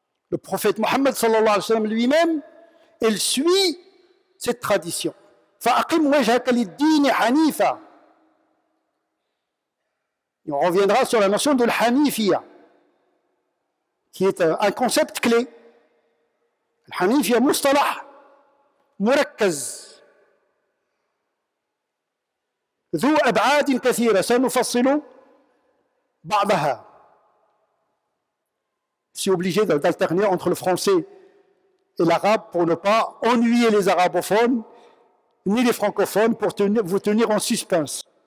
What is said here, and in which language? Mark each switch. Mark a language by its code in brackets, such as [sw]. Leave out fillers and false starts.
[fr] Le prophète Mohammed [ar] sallallahu alayhi wa sallam [fr] lui-même, il suit cette tradition. [ar] فَأَقِمْ وَجْهَكَ لِلدِّينِ حَنِيفًا. [fr] On reviendra sur la notion de l'hanifiyya, qui est un concept clé. [ar] Al-Hanifiyya mustalah murakkaz ذو أبعاد كثيرة سنفصل بعضها. [fr] Je suis obligé d'alterner entre le français et l'arabe pour ne pas ennuyer les arabophones ni les francophones, pour vous tenir en suspense.